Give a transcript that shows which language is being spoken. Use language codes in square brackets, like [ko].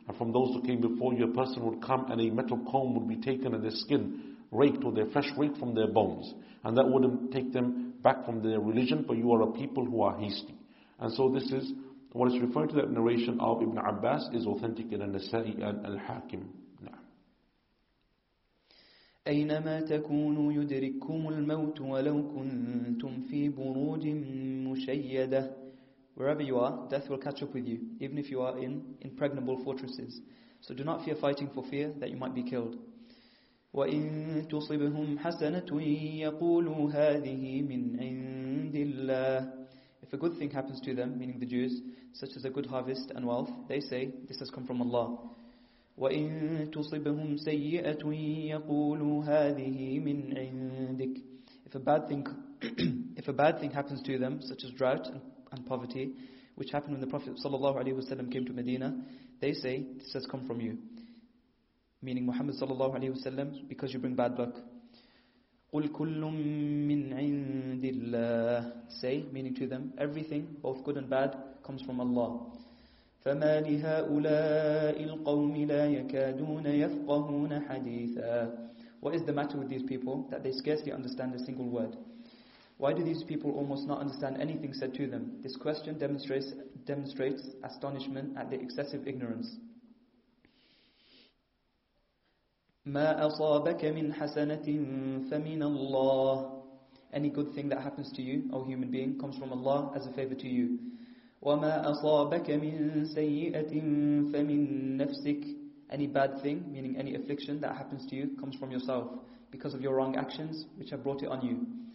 [en] And from those who came before you, a person would come and a metal comb would be taken and their skin raked, or their flesh raked from their bones, and that wouldn't take them back from their religion, but you are a people who are hasty. And so this is what is referring to, that narration of Ibn Abbas is authentic in al-Nasa'i and al-Hakim. [ar] أينما تكونوا يدرككم الموت ولو كنتم في بروج مشيدة. [en] Wherever you are, death will catch up with you, even if you are in impregnable fortresses. So do not fear fighting for fear that you might be killed. [ar] وإن تصبهم حسنة يقولوا هذه من عند الله. [en] If a good thing happens to them, meaning the Jews, such as a good harvest and wealth, they say, this has come from Allah. [ar] وَإِن تُصِبْهُمْ سَيِّئَةٌ يَقُولُوا هَذِهِ مِنْ عِنْدِكَ. [en] If a bad thing happens to them, such as drought and poverty, which happened when the Prophet sallallahu alaihi wasallam came to Medina, they say, this has come from you, meaning Muhammad sallallahu alaihi wasallam, because you bring bad luck. [ar] قُلْ كُلٌّ مِنْ عِنْدِ اللَّهِ. [en] Say, meaning to them, everything, both good and bad, comes from Allah. [ar] فما لهؤلاء القوم لا يكادون يفقهون حديثا. [en] What is the matter with these people that they scarcely understand a single word? Why do these people almost not understand anything said to them? This question demonstrates astonishment at their excessive ignorance. [ar] ما أصابك من حسنة فمن الله. [en] Any good thing that happens to you, O human being, comes from Allah as a favor to you. [ar] وَمَا أَصَابَكَ مِنْ سَيِّئَةٍ فَمِنْ نَفْسِكَ. [en] Any bad thing, meaning any affliction that happens to you, comes from yourself because of your wrong actions which have brought it on you.